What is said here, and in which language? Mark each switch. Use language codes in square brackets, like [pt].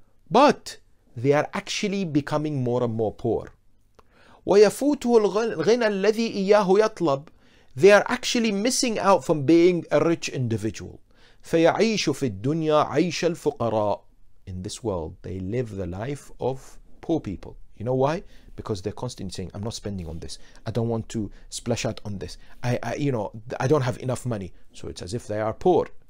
[en] But they are actually becoming more and more poor. [ar] ويفوته الغنى الذي إياه يطلب. [en] They are actually missing out from being a rich individual. [ar] فَيَعِيشُ فِي الدُّنْيَا عَيْشَ الْفُقَرَاءِ. [en] In this world, they live the life of poor people. You know why? Because they're constantly saying, I'm not spending on this. I don't want to splash out on this. I don't have enough money. So it's as if they are poor.